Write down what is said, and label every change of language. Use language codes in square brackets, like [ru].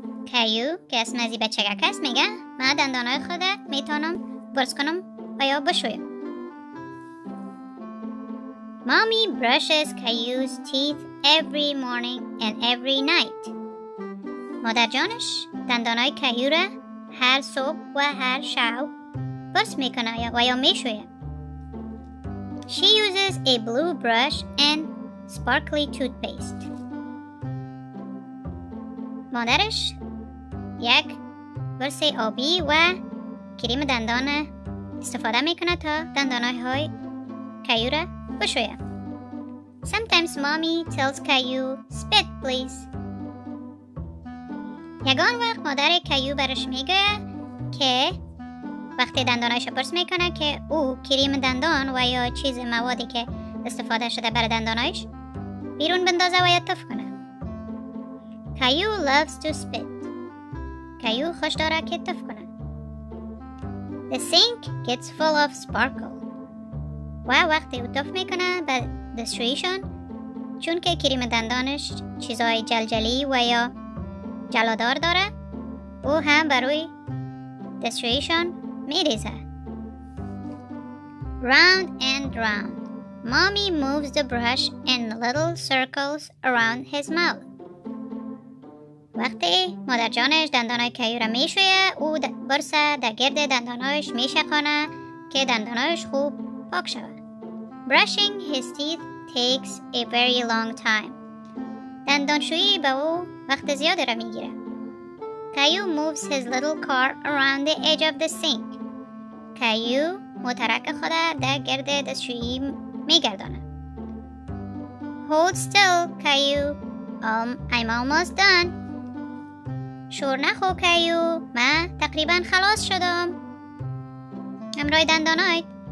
[fa] Caillou, کس نزی بچه که کس میگه من دندانهای خوده میتونم برس کنم و یا بشویم. [en] Mommy brushes Caillou's teeth every morning and every night. [fa] مادر جانش دندانهای Caillou را هر صبح و هر شب برس میکنه و یا میشویم. [en] She uses a blue brush and sparkly toothpaste. [fa] مادرش یک برس آبی و کریم دندان استفاده میکنه تا دندانهای Caillou را بشویه. [en] Sometimes mommy tells Caillou, spit please. [fa] یگان وقت مادر Caillou برش میگه که وقتی دندانهایش برس میکنه که او کریم دندان و یا چیز موادی که استفاده شده بر دندانهایش بیرون بندازه و یتف کنه. [en] Caillou loves to spit. Caillou [fa] خوش داره که یتف کنه. [en] The sink gets full of sparkle. [fa] و وقتی یتف میکنه به دستشویشان چون که کریم دندانش چیزای جلجلی و یا جلادار داره او هم بروی دستشویشان میریزه. [en] Round and round. Mommy moves the brush in little circles around his mouth. [fa] وقتی مادر جانش دندانای Caillou را میشویه او برس در گرد دندانایش میشکانه که دندانایش خوب پاک شوه. [en] Brushing his teeth takes a very long time. [fa] دندانشویی به او وقت زیادی را میگیره. [en] Caillou moves his little car around the edge of the sink. [fa] Caillou موترک خود در گرد دستشویی میگردانه. [en] Hold still, Caillou. I'm almost done. [fa] شور نخو Caillou. من تقریبا خلاص شدم. امروی دندانایت.